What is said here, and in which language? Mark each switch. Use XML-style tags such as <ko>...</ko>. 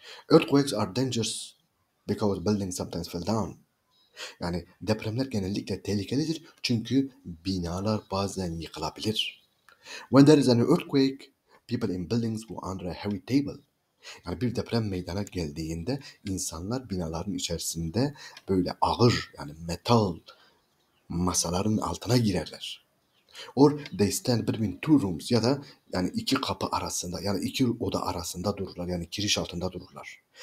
<en>Earthquakes are dangerous because buildings sometimes fall down.</en> <tr>Yani depremler genellikle tehlikelidir çünkü binalar bazen yıkılabilir.</tr> <en>When there is an earthquake, people in buildings go under a heavy table.</en> <tr>Yani bir deprem meydana geldiğinde insanlar binaların içerisinde böyle ağır, yani metal masaların altına girerler.</tr> <en>Or they stand between two rooms,</en> <tr>ya da yani iki kapı arasında, yani iki oda arasında dururlar, yani kiriş altında dururlar.</tr>